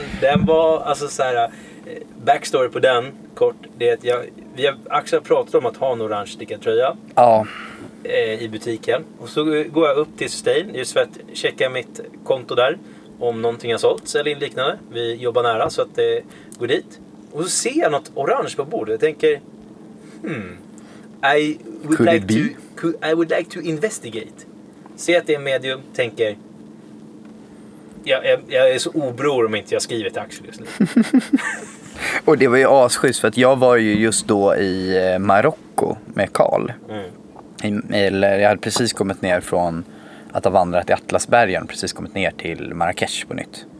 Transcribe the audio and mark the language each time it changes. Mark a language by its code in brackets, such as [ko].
[sv] Den var, alltså så här, backstory på den, kort, det är att vi har Axel pratat om att ha en orange stickad tröja. Ja. I butiken. Och så går jag upp till Sustain just för att checka mitt konto där. Om någonting har sålts eller liknande. Vi jobbar nära så att det går dit. Och så ser jag något orange på bordet. Jag tänker, [en] I would like to investigate. [sv] Se att det är en medium. Tänker, jag är så obror om inte jag skriver till Axel just nu. Och det var ju asschysst. För att jag var ju just då i Marocko med Carl. Mm. Jag hade precis kommit ner från att ha vandrat i Atlasbergen, precis kommit ner till Marrakesh på nytt.